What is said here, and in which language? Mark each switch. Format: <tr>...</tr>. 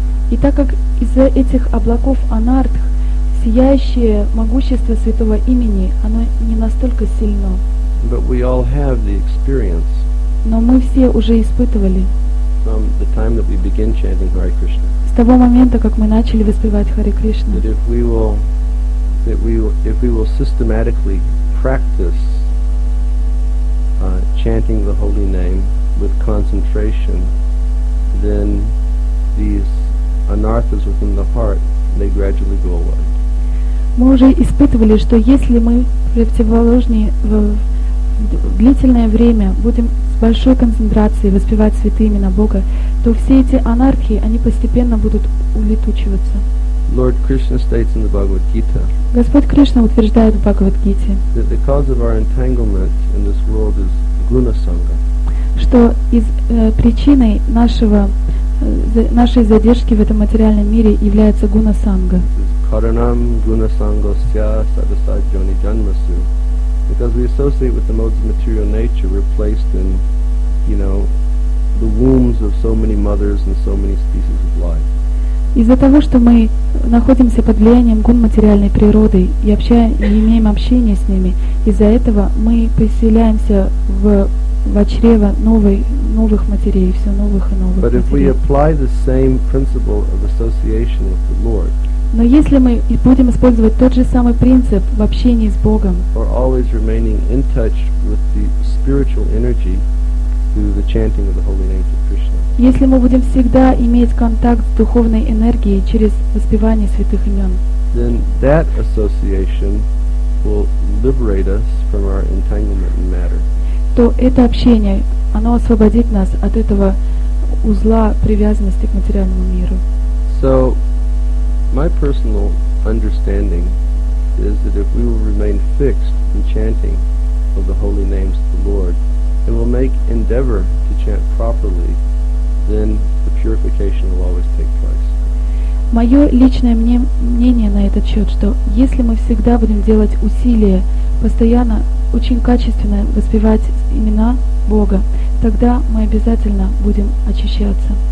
<ru>И так как из-за этих облаков анартх сияющее могущество Святого Имени, оно не настолько сильно.</ru> <en>But we all have the experience.</en> <ru>Но мы все уже испытывали.</ru> <en>From the time that we begin chanting Hare Krishna.</en> <ru>С того момента, как мы начали воспевать Харе Кришна.</ru> <en>That if we will systematically practice chanting the holy name with concentration, then these anarthas within the heart they gradually go away.</en> <ru>Мы уже испытывали, что если мы противоположные в длительное время будем с большой концентрацией воспевать святые имена Бога, то все эти анархии, они постепенно будут улетучиваться.</ru> <en>Lord Krishna states in the Bhagavad Gita,</en> <ru>Господь Кришна утверждает в Бхагавад-гите,</ru> <en>that the cause of our entanglement in this world is guna-sanga.</en> <ru>Что из причиной нашего, нашей задержки в этом материальном мире является гуна-санга.</ru> <sa>Каранам гуна-сангасья садасаджони джанмасу.</sa> <en>Because we associate with the modes of material nature, we're placed in, you know, the wombs of so many mothers and so many species of life.</en> <ru>Из-за того, что мы находимся под влиянием гун материальной природы и общаемся, имеем общение с ними, из-за этого мы поселяемся в чрево новых матерей, все новых и новых матерей.</ru> <en>But if we apply the same principle of association with the Lord.</en> <ru>Но если мы будем использовать тот же самый принцип в общении с Богом, если мы будем всегда иметь контакт с духовной энергией через воспевание святых имен,</ru> <en>then that association will liberate us from our entanglement in matter.</en> <ru>То это общение, оно освободит нас от этого узла привязанности к материальному миру.</ru> <en>So, my personal understanding is that if we will remain fixed in chanting of the holy names of the Lord, and will make endeavor to chant properly, then the purification will always take place.</en> <ru>Мое личное мнение на этот счет, что если мы всегда будем делать усилия, постоянно, очень качественно воспевать имена Бога, тогда мы обязательно будем очищаться.</ru>